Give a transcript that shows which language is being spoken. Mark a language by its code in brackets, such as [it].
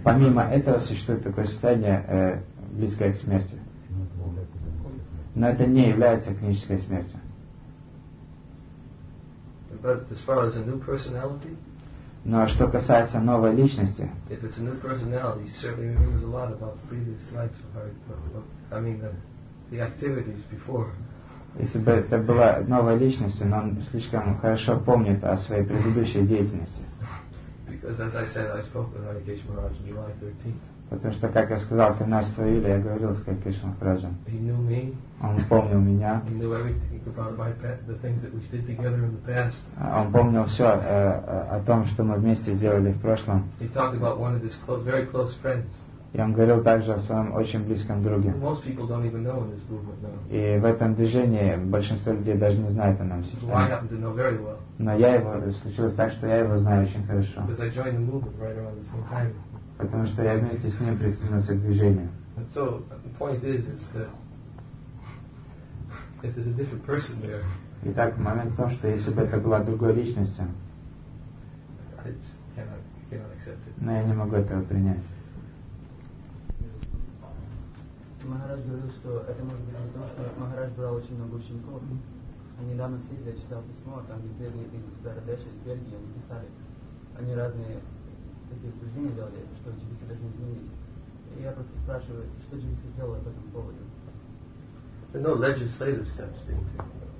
[ru] Помимо этого существует такое состояние, близкое к смерти. Но это не является клинической смертью. [en] But as far as a new personality, [ru] но что касается новой личности, [en] if it's a new personality, it certainly reveals a lot about the previous lives of our, I mean, the activities before. [ru] Если бы это была новая личность, но он слишком хорошо помнит о своей предыдущей деятельности. [en] Because as I said, I spoke with Harikesh Maharaj on July 13th. [ru] Потому что, как я сказал, 13 июля я говорил с Харикеш Махараджем. [en] He knew me. [ru] Он помнил меня. [en] He knew everything about my past, the things that we did together in the past. [ru] Он помнил все о том, что мы вместе сделали в прошлом. [en] He talked about one of his close, very close friends. [ru] И он говорил также о своем очень близком друге. [en] Most people don't even know in this movement now. [ru] И в этом движении большинство людей даже не знает о нем сейчас. [en] Well, I happen to know very well. [ru] Но я его, случилось так, что я его знаю очень хорошо. [en] Because I joined the movement right around the same time. [ru] Потому что я вместе с ним присоединился к движению. [en] And so the point is that if there's a different person there. [ru] Итак, момент в том, что если бы это была другой личность, [en] I cannot accept it. [ru] Но я не могу этого принять. Махарадж говорил, что это может быть за то, что Махарадж брал очень много учеников. А недавно сидел, я читал письмо, там бедные из Бердеша, из Бельгии, они писали, они разные такие утверждения делали, что GBC должны изменить. И я просто спрашиваю, что GBC сделало по этому поводу? [en] No legislative steps being taken.